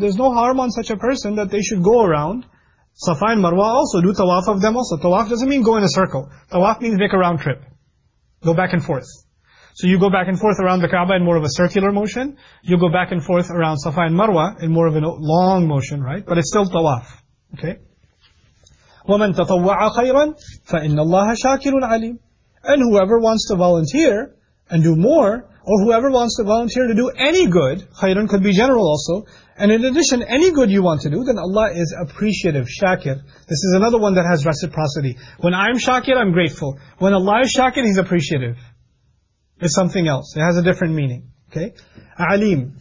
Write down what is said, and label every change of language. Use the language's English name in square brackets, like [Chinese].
[English] There's no harm on such a person that they should go around. Safa and Marwa also, do tawaf of them also. Tawaf doesn't mean go in a circle. Tawaf means make a round trip. Go back and forth. So you go back and forth around the Kaaba in more of a circular motion. You go back and forth around Safa and Marwa in more of a long motion, right? But it's still tawaf. Okay? [Arabic] وَمَنْ تَطَوَّعَ خَيْرًا فَإِنَّ اللَّهَ شَاكِرٌ عَلِيمٌ. [English] And whoever wants to volunteer, and do more, or whoever wants to volunteer to do any good, khayran could be general also, and in addition, any good you want to do, then Allah is appreciative, shakir. This is another one that has reciprocity. When I'm shakir, I'm grateful. When Allah is shakir, He's appreciative. It's something else. It has a different meaning. Okay? A'aleem.